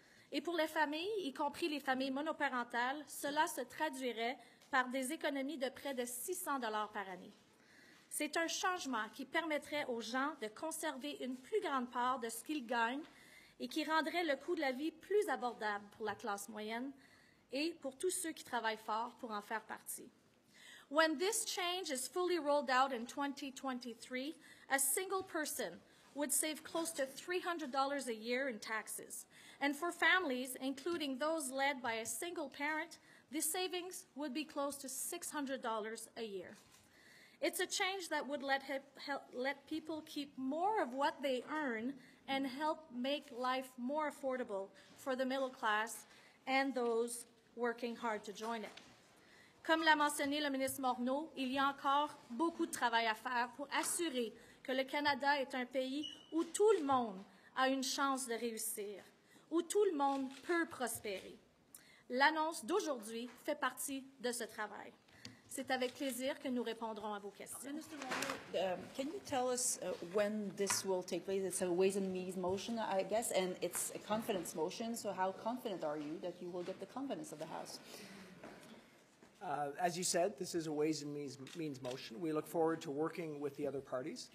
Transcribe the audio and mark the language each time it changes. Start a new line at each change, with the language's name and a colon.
French: Et pour les familles, y compris les familles monoparentales, cela se traduirait par des économies de près de 600 $ par année. C'est un changement qui permettrait aux gens de conserver une plus grande part de ce qu'ils gagnent et qui rendrait le coût de la vie plus abordable pour la classe moyenne et pour tous ceux qui travaillent fort pour en faire partie.
English: When this change is fully rolled out in 2023, a single person would save close to $300 a year in taxes. And for families, including those led by a single parent, the savings would be close to $600 a year. It's a change that would let people keep more of what they earn and help make life more affordable for the middle class and those working hard to join it.
French: Comme l'a mentionné le ministre Morneau, il y a encore beaucoup de travail à faire pour assurer que le Canada est un pays où tout le monde a une chance de réussir, où tout le monde peut prospérer. L'annonce d'aujourd'hui fait partie de ce travail. C'est avec plaisir que nous répondrons à vos questions.
English: Can you tell us when this will take place? It's a Ways and Means motion, I guess, and it's a confidence motion. So how confident are you that you will get the confidence of the House? As you said, this is a Ways and Means motion. We look forward to working with the other parties.